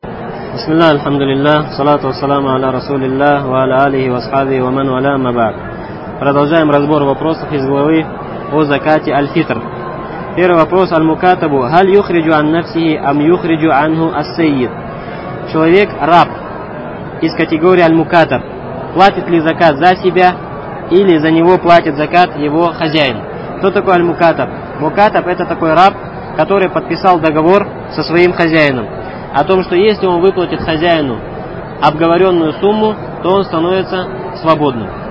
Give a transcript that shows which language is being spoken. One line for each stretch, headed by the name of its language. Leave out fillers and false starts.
Arabic: بسم الله الحمد لله والصلاة والسلام على رسول الله وعلى آله وصحبه ومن والاه ما بعد.
Russian: Продолжаем разбор вопросов из главы о закате аль-фитр. Первый вопрос
Arabic: аль-мукатабу: هل يخرج عن نفسه أم يخرج عنه السيد?
Russian: Человек раб из категории аль-мукатаб. Платит ли закат за себя или за него платит закат его хозяин? Кто такой аль-мукатаб? Мукатаб — это такой раб, который подписал договор со своим хозяином о том, что если он выплатит хозяину обговоренную сумму, то он становится свободным.